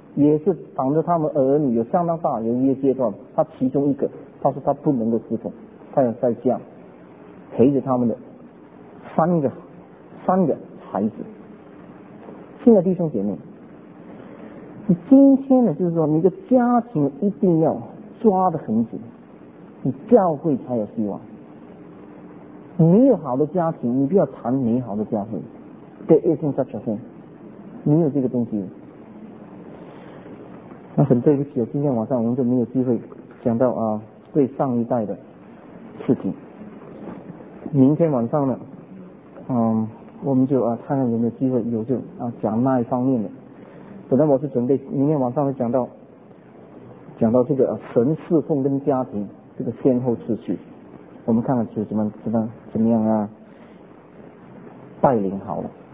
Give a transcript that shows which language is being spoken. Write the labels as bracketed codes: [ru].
[zh] 也是挡着他们儿女有相当大有一个阶段，他其中一个他说他不能够侍奉，他要在家陪着他们的三个孩子。现在弟兄姐妹，你今天呢，就是说你的家庭一定要抓得很紧，你教会才有希望。你没有好的家庭，你不要谈美好的教会。 [en] There isn't such a thing， [zh] 没有这个东西。那很对不起，今天晚上我们就没有机会讲到对上一代的事情。明天晚上呢，我们就看看有没有机会有就讲那一方面的。本来我是准备明天晚上会讲到这个神侍奉跟家庭这个先后次序，我们看看就怎么样带领好了。